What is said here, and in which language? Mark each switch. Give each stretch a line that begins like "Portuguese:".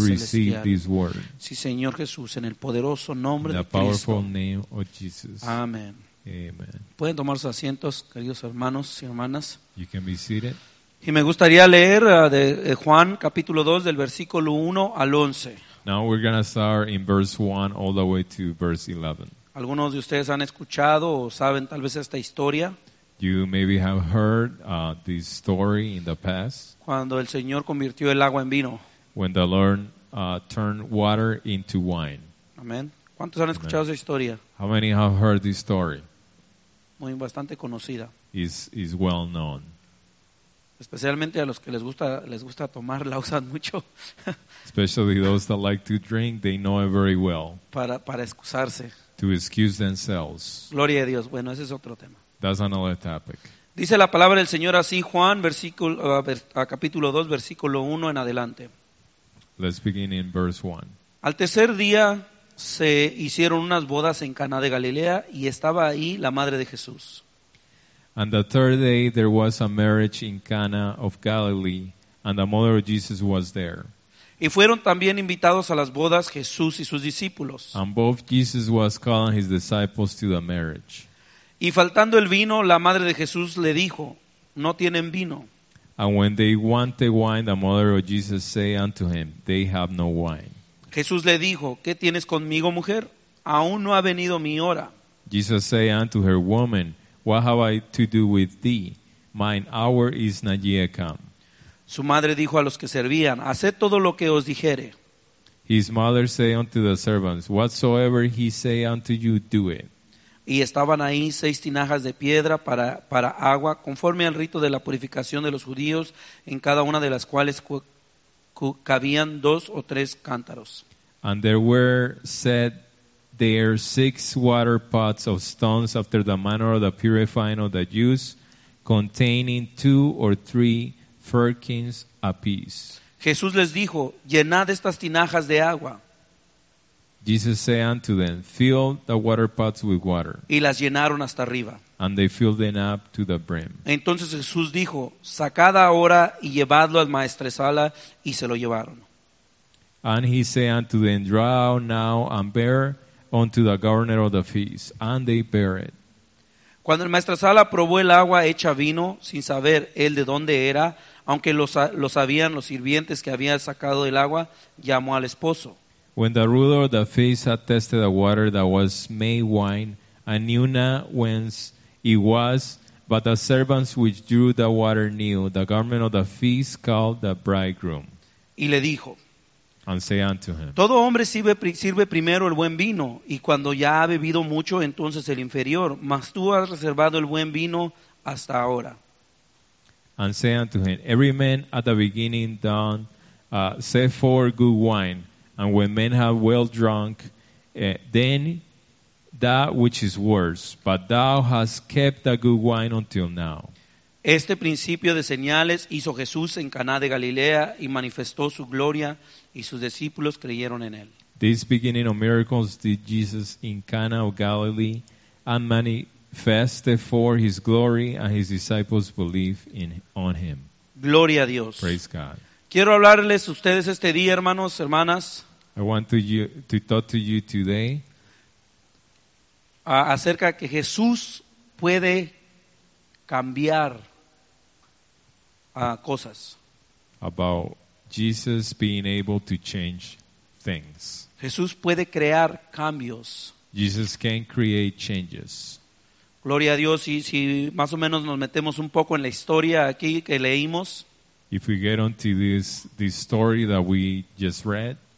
English: To receive this word.
Spanish: Sí, Señor Jesús, en el poderoso nombre
English: in
Spanish: de Cristo.
English: The powerful name of Jesus. Amen. Amen.
Spanish: Pueden tomar sus asientos, queridos hermanos y hermanas.
English: You can be seated.
Spanish: Y me gustaría leer de Juan capítulo 2 del versículo 1 al 11.
English: Now we're going to start in verse 1 all the way to verse 11.
Spanish: Algunos de ustedes han escuchado o saben tal vez esta historia.
English: You maybe have heard this story in the past.
Spanish: Cuando el Señor convirtió el agua en vino.
English: When the Lord turned water into wine.
Spanish: Amen. ¿Cuántos han escuchado esa historia?
English: How many have heard this story?
Spanish: Muy bastante conocida.
English: Is well known.
Spanish: Especialmente a los que les gusta tomar, la usan mucho.
English: Especially those that like to drink, they know it very well.
Spanish: Para excusarse.
English: To excuse themselves.
Spanish: Gloria a Dios. Bueno, ese es otro tema.
English: That's another topic.
Spanish: Dice la palabra del Señor así, Juan, capítulo 2, versículo 1 en adelante.
English: Let's begin in verse 1.
Spanish: Al tercer día se hicieron unas bodas en Caná de Galilea y estaba ahí la madre de Jesús.
English: And the third day there was a marriage in Cana of Galilee, and the mother of Jesus was there.
Spanish: Y fueron también invitados a las bodas Jesús y sus discípulos.
English: And both Jesus was calling his disciples to the marriage.
Spanish: Y faltando el vino, la madre de Jesús le dijo, no tienen vino.
English: And when they wanted wine, the mother of Jesus said unto him, they have no wine.
Spanish: Jesús le dijo, ¿qué tienes conmigo, mujer? Aún no ha venido mi hora.
English: Jesus said unto her, woman, what have I to do with thee? Mine hour is not yet come.
Spanish: Su madre dijo a los que servían, haced todo lo que os dijere.
English: His mother said unto the servants, whatsoever he say unto you, do it.
Spanish: Y estaban ahí 6 tinajas de piedra para agua, conforme al rito de la purificación de los judíos, en cada una de las cuales cabían 2 o 3 cántaros.
English: And there were set there 6 water pots of stones after the manner of the purifying of the Jews, containing 2 or 3 firkins apiece.
Spanish: Jesús les dijo, llenad estas tinajas de agua.
English: Jesus said unto them, fill the water pots with water.
Spanish: Y las llenaron hasta arriba.
English: And they filled them up to the brim.
Spanish: Entonces Jesús dijo, sacad ahora y llevadlo al maestresala, y se lo llevaron.
English: And he said unto them, draw now and bear unto the governor of the feast. And they bear it.
Spanish: Cuando el maestresala probó el agua hecha vino, sin saber él de dónde era, aunque lo sabían los sirvientes que había sacado del agua, llamó al esposo.
English: When the ruler of the feast had tested the water that was made wine, and knew not whence it was, but the servants which drew the water knew, the governor of the feast called the bridegroom.
Spanish: Y le dijo,
English: and said unto him,
Spanish: todo hombre sirve primero el buen vino, y cuando ya ha bebido mucho, entonces el inferior, mas tú has reservado el buen vino hasta ahora.
English: And said unto him, every man at the beginning doth set forth good wine. And when men have well drunk, then that which is worse. But thou hast kept the good wine until now.
Spanish: Este principio de señales hizo Jesús en Caná de Galilea y manifestó su gloria y sus discípulos creyeron en él.
English: This beginning of miracles did Jesus in Cana of Galilee and manifested for his glory and his disciples believed on him.
Spanish: Gloria a Dios.
English: Praise God.
Spanish: Quiero hablarles a ustedes este día, hermanos, hermanas.
English: I want to talk to you today
Spanish: acerca que Jesús puede cambiar cosas.
English: About Jesus being able to change things.
Spanish: Jesús puede crear cambios.
English: Jesus can create changes.
Spanish: Gloria a Dios, y si más o menos nos metemos un poco en la historia aquí que leímos.
English: If we get onto this story that we just read.